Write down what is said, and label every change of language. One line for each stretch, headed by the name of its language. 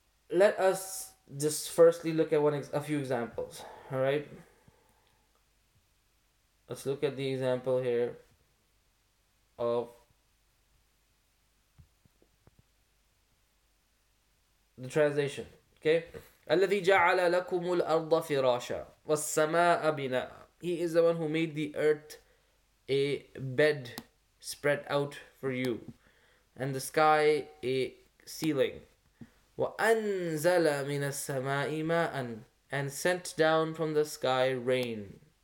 English: Let us just firstly look at a few examples. All right. Let's look at the example here of the translation. Okay.
Arabic: الذي جعل لكم الأرض فراشا والسماء بناء.
English: He is the one who made the earth a bed spread out for you, and the sky a ceiling.
Arabic: وأنزل من السماء ماء,
English: and sent down from the sky rain.